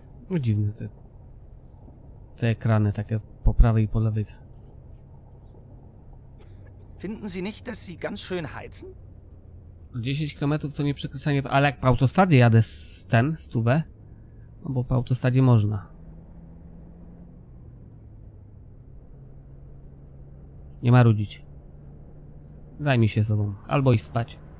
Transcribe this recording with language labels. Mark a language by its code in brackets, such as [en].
[pl] No dziwne te ekrany takie po prawej i po lewej. [de] Finden Sie nicht, dass Sie ganz schön heizen? [pl] 10 km to nie przekroczenie, ale jak po autostradzie jadę stówę, no bo po autostradzie można. Nie marudzić. Zajmij się sobą, albo iść spać.